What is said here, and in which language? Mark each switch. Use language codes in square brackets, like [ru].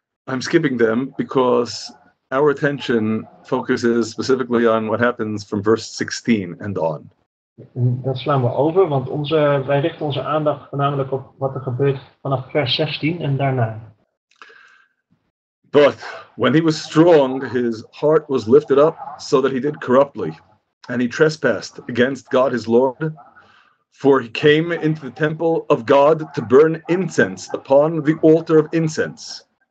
[en] I'm skipping them because our attention focuses specifically on what happens from verse 16 and on. [nl] Dat slaan we over, want wij richten onze aandacht voornamelijk op wat er gebeurt vanaf vers 16 en daarna. [en] But when he was strong, his heart was lifted up so that he did corruptly, and he trespassed against God his Lord, for he came into the temple of God to burn incense upon the altar of incense.